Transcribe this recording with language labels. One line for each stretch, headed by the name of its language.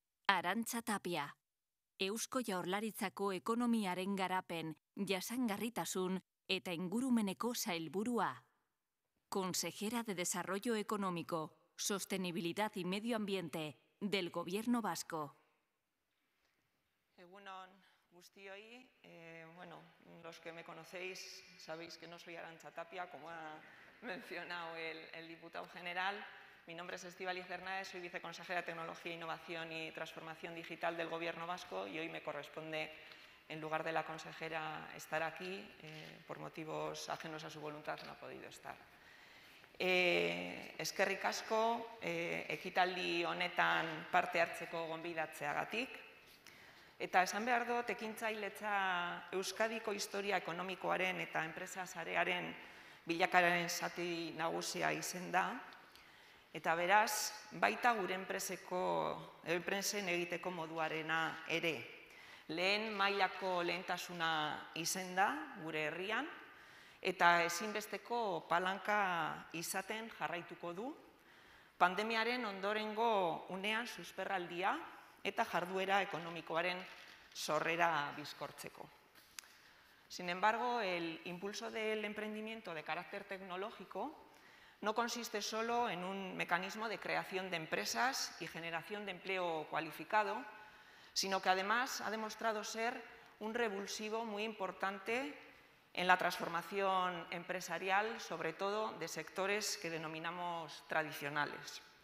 Basque: Arantxa Tapia, Eusko Jaurlaritzako ekonomiaren garapen, jasangarritasun eta ingurumeneko sailburua.
Spanish: Consejera de Desarrollo Económico, Sostenibilidad y Medio Ambiente del Gobierno Vasco.
Basque: Egunon guztioi,
Spanish: los que me conocéis sabéis que no soy Arantxa Tapia, como ha mencionado el diputado general. Mi nombre es Estíbaliz Hernández, soy viceconsejera de Tecnología, Innovación y Transformación Digital del Gobierno Vasco y hoy me corresponde, en lugar de la consejera, estar aquí. Por motivos ajenos a su voluntad no ha podido estar.
Basque: Eskerrik asko, ekitaldi honetan parte hartzeko gonbidatzeagatik. Eta esan behar dut, ekintzailetza Euskadiko historia ekonomikoaren eta enpresa sarearen bilakararen zati nagusia izen da. Eta beraz, baita gure enpresen egiteko moduarena ere. Lehen mailako lehentasuna izen da gure herrian, eta ezinbesteko palanka izaten jarraituko du. Pandemiaren ondorengo unean susperraldia eta jarduera ekonomikoaren sorrera bizkortzeko.
Spanish: Sin embargo, el impulso del emprendimiento de carácter tecnológico no consiste solo en un mecanismo de creación de empresas y generación de empleo cualificado, sino que además ha demostrado ser un revulsivo muy importante en la transformación empresarial, sobre todo de sectores que denominamos tradicionales.